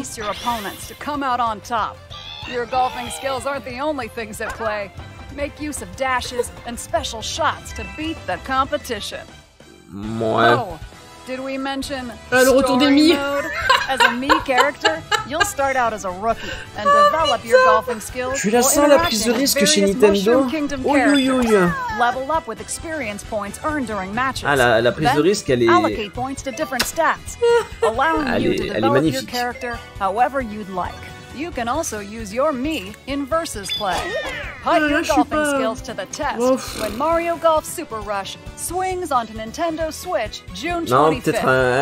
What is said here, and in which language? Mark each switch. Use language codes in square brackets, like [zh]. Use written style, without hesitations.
[en] Outpace your opponents to come out on top. Your golfing skills aren't the only things at play. Make use of dashes and special shots to beat the competition. [fr] Ouais. [en] Oh, did we mention [fr] le retour des [en] Mii. As a Mii character, you'll start out as a rookie and develop your golfing skills. [fr] Tu la sens la prise de risque chez Nintendo. Oh, oui, oui, oui. [en] Level up with experience points earned during matches. [fr] Ah, la prise de risque, elle est... [en] Allocate points to different stats, allowing you to develop your character however you'd like. You can also use your me in versus play. Put your golfing skills to the test when Mario Golf Super Rush swings onto Nintendo Switch June 25th.